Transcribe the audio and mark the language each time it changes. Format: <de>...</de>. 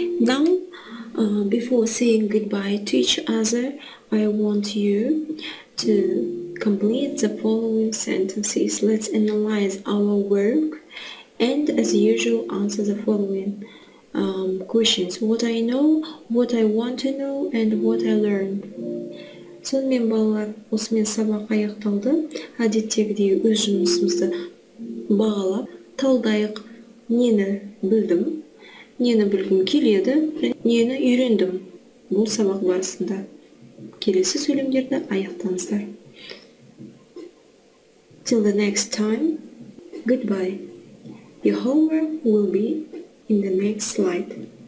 <en>Now, before saying goodbye to each other, I want you to complete the following sentences. Let's analyze our work and, as usual, answer the following questions. What I know, what I want to know, and what I learned.</en> <kk>Сонымен балалар, осымен сабақ аяқталды. Әдеттегідей өз жұмысымызды бағалап, талдайық. Нені білдім, нені білгім келеді, нені үйрендім бұл сабақ барысында. Келесі сөйлемдерді аяқтаңыздар.</kk> <en>Till the next time, goodbye. Your homework will be in the next slide.</en>